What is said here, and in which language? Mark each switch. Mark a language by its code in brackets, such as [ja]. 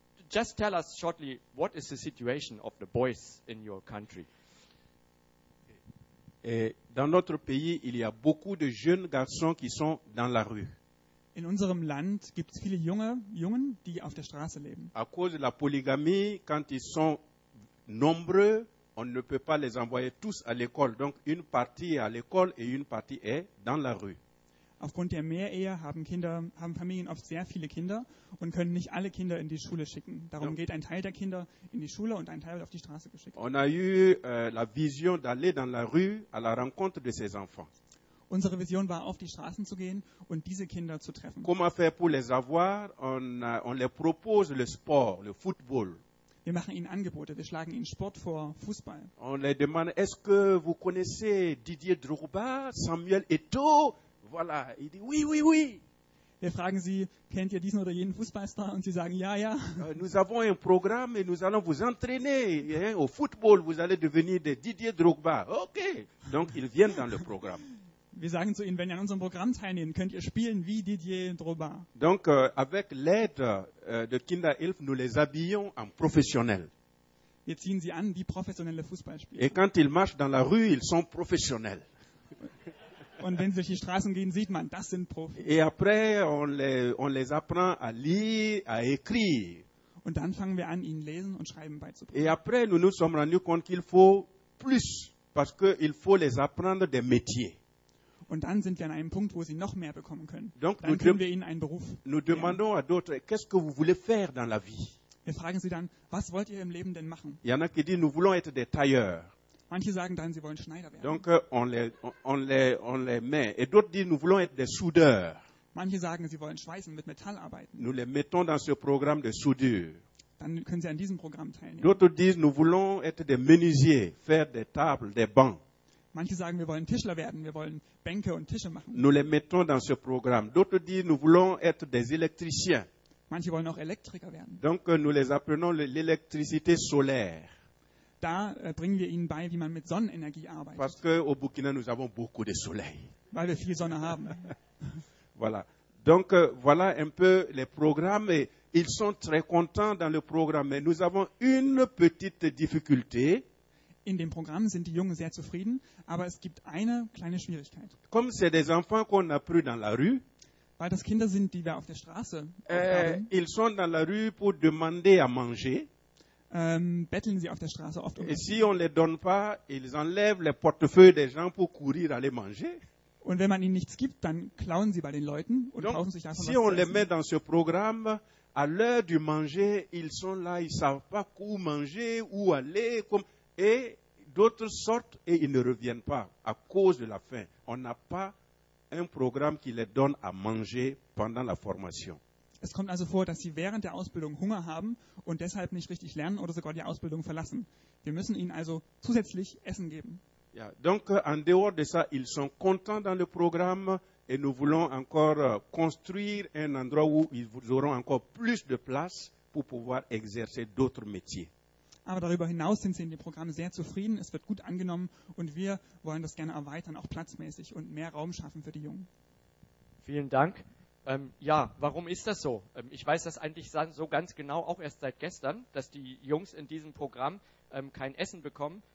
[en] Just tell us shortly, what is the situation of the boys in your country? [fr] Dans notre pays, il y a beaucoup de jeunes garçons qui sont dans la rue. [de] In unserem Land gibt es viele Jungen, die auf der Straße leben. [fr] À cause de la polygamie, quand ils sont nombreux, on ne peut pas les envoyer tous à l'école. Donc une partie est à l'école et une partie est dans la rue. [de] Aufgrund der Mehrehe haben Familien oft sehr viele Kinder und können nicht alle Kinder in die Schule schicken. Darum geht ein Teil der Kinder in die Schule und ein Teil wird auf die Straße geschickt. [fr] On a eu la vision d'aller dans la rue à la rencontre de ces enfants. [de] Unsere Vision war, auf die Straßen zu gehen und diese Kinder zu treffen. [fr] Comment faire pour les avoir? On leur propose le sport, le football. [de] Wir machen ihnen Angebote, wir schlagen ihnen Sport vor, Fußball. [fr] On leur demande, est-ce que vous connaissez Didier Drogba, Samuel Eto'o? Voilà, il dit oui, oui, oui. [de] Wir fragen sie, kennt ihr diesen oder jenen Fußballstar? Und sie sagen, ja, ja. [fr] Nous avons un programme et nous allons vous entraîner au football. Vous allez devenir des Didier Drogba. Ok, donc ils viennent dans le programme. [de] Wir sagen zu ihnen, wenn ihr an unserem Programm teilnehmt, könnt ihr spielen wie Didier Drogba. [fr] Donc avec l'aide de Kinderhilfe, nous les habillons en professionnels. [de] Wir ziehen sie an wie professionelle Fußballspieler. [fr] Et quand ils marchent dans la rue, ils sont professionnels. [de] Und wenn sie durch die Straßen gehen, sieht man, das sind Profis. [fr] Et après, on les apprend à lire, à écrire. [de] Und dann fangen wir an, ihnen lesen und schreiben beizubringen. [fr] Et après, nous nous sommes rendus compte qu'il faut plus, parce qu'il faut les apprendre des métiers. [de] Und dann sind wir an einem Punkt, wo sie noch mehr bekommen können. Donc, dann können wir ihnen einen Beruf geben. [fr] Nous demandons à d'autres, qu'est-ce que vous voulez faire dans la vie? [de] Wir fragen sie dann, was wollt ihr im Leben denn machen? [fr] Il y en a qui disent, nous voulons être des tailleurs. [de] Manche sagen dann, sie wollen Schneider werden. [fr] Donc on les met. Et d'autres disent, nous voulons être des soudeurs. [de] Manche sagen, sie wollen schweißen, mit Metall arbeiten. [fr] Nous les mettons dans ce programme de soudure. [de] Dann können sie an diesem Programm teilnehmen. [fr] D'autres disent, nous voulons être des menuisiers, faire des tables, des bancs. [de] Manche sagen, wir wollen Tischler werden, wir wollen Bänke und Tische machen. [fr] Nous les mettons dans ce programme. D'autres disent, nous voulons être des électriciens. [de] Manche wollen auch Elektriker werden. [fr] Donc nous les apprenons l'électricité solaire. [de] Da bringen wir ihnen bei, wie man mit Sonnenenergie arbeitet. [fr] Parce que au Burkina, nous avons beaucoup de soleil. [de] Weil wir viel Sonne haben. [fr] Voilà. Donc voilà un peu les programmes. Et ils sont très contents dans le programme. Mais nous avons une petite difficulté. [de] In dem Programm sind die Jungen sehr zufrieden. Aber es gibt eine kleine Schwierigkeit. [fr] Comme c'est des enfants qu'on a pris dans la rue. [de] Weil das Kinder sind, die wir auf der Straße haben. [fr] Ils sont dans la rue pour demander à manger. [de] Betteln sie auf der Straße oft um. [fr] Et si on les donne pas, ils enlèvent les portefeuilles des gens pour courir aller manger. [de] Und wenn man ihnen nichts gibt, dann klauen sie bei den Leuten und [fr] Donc, [de] kaufen sich davon [fr] si [de] was. [fr] Si on les met dans ce programme, à l'heure du manger, ils sont là, ils savent pas où manger, où aller, comme et d'autres sortent et ils ne reviennent pas à cause de la faim. On n'a pas un programme qui les donne à manger pendant la formation. [de] Es kommt also vor, dass sie während der Ausbildung Hunger haben und deshalb nicht richtig lernen oder sogar die Ausbildung verlassen. Wir müssen ihnen also zusätzlich Essen geben. [fr] Ja, donc en dehors de ça, ils sont contents dans le programme et nous voulons encore construire un endroit où ils auront encore plus de place pour pouvoir exercer d'autres métiers. [de] Aber darüber hinaus sind sie in dem Programm sehr zufrieden. Es wird gut angenommen und wir wollen das gerne erweitern, auch platzmäßig und mehr Raum schaffen für die Jungen. Vielen Dank. Ja, warum ist das so? Ich weiß das eigentlich so ganz genau auch erst seit gestern, dass die Jungs in diesem Programm kein Essen bekommen.